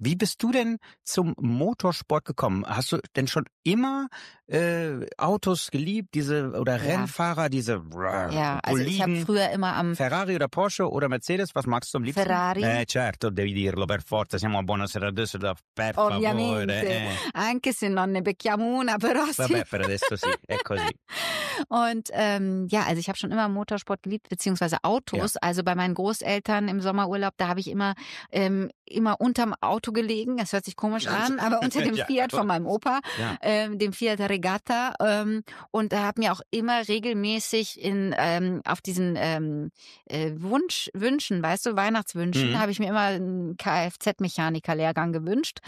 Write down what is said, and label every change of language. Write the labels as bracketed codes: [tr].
[de] Wie bist du denn zum Motorsport gekommen? Hast du denn schon immer Autos geliebt, diese oder Rennfahrer, ja, diese Also ich habe früher immer am Ferrari oder Porsche oder Mercedes, was magst du am liebsten? Ferrari. [it] Certo, devi dirlo per forza. Siamo a Buonasera Düsseldorf, per favore. Ovviamente. Anche se non ne becchiamo una, però sì. Vabbè, per adesso sì, è così. [de] Und ja, also ich habe schon immer Motorsport geliebt, beziehungsweise Autos. Ja. Also bei meinen Großeltern im Sommerurlaub, da habe ich immer immer unterm Auto gelegen. Das hört sich komisch an, aber unter dem Fiat von meinem Opa, dem Fiat Regatta. Und da habe mir auch immer regelmäßig in auf diesen Wünschen, weißt du, Weihnachtswünschen, habe ich mir immer einen Kfz-Mechaniker-Lehrgang gewünscht.